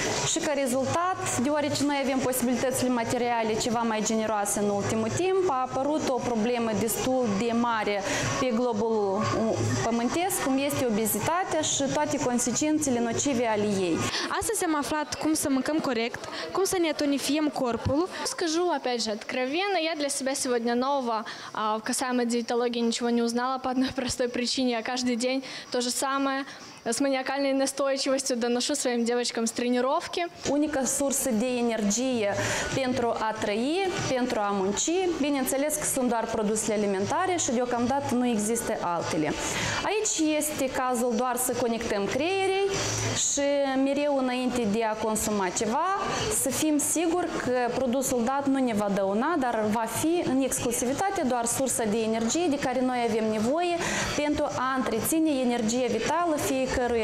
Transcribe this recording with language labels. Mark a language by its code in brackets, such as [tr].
[ro] Și ca rezultat, deoarece noi avem posibilitățile materiale ceva mai generoase în ultimul timp, a apărut o problemă destul de mare pe globul pământesc, cum este obezitatea și toate consecințele nocive ale ei. Astăzi am aflat cum să mâncăm corect, cum să ne tonifiem corpul. [ru] Скажу опять же откровенно, я для себя сегодня нового, касаемо диетологии ничего не узнала по одной простой причине, я каждый день то же самое. С маниакальной настойчивостью доношу своим девочкам с тренировки. [ro] Unica sursă de energie pentru a trăi, pentru a munci, bineînțeles că sunt doar produsele alimentare și deocamdată nu există altele. Aici este cazul doar să conectăm creierii și mereu înainte de a consuma ceva, să fim siguri că produsul dat nu ne va dăuna, dar va fi în exclusivitate doar sursa de energie de care noi avem nevoie pentru a întreține energia vitală fiecare.